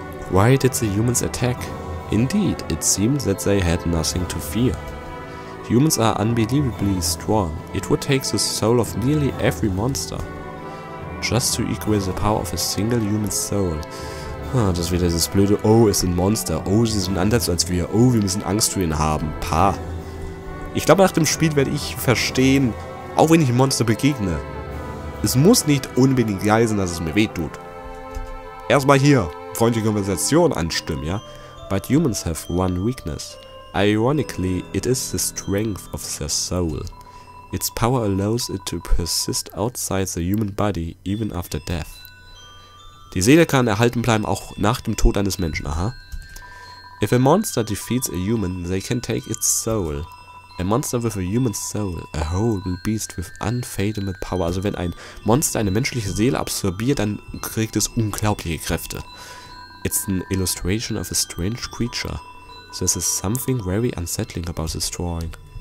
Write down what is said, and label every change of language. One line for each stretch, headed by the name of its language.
English: Why did the humans attack? Indeed, it seemed that they had nothing to fear. Humans are unbelievably strong. It would take the soul of nearly every monster. Just to equal the power of a single human soul.
German: Ah, das ist wieder dieses blöde, oh, es sind Monster. Oh, sie sind anders als wir. Oh, wir müssen Angst vor ihnen haben. Pa. Ich glaube, nach dem Spiel werde ich verstehen, auch wenn ich Monster begegne. Es muss nicht unbedingt geil sein, dass es mir wehtut. Erstmal hier, freundliche Konversation anstimmen, ja?
English: But humans have one weakness. Ironically, it is the strength of their soul. Its power allows it to persist outside the human body, even after death.
German: Die Seele kann erhalten bleiben, auch nach dem Tod eines Menschen, aha.
English: If a monster defeats a human, they can take its soul. A monster with a human soul, a horrible beast with unfathomable power.
German: Also wenn ein Monster eine menschliche Seele absorbiert, dann kriegt es unglaubliche Kräfte.
English: It's an illustration of a strange creature. This is something very unsettling about this drawing.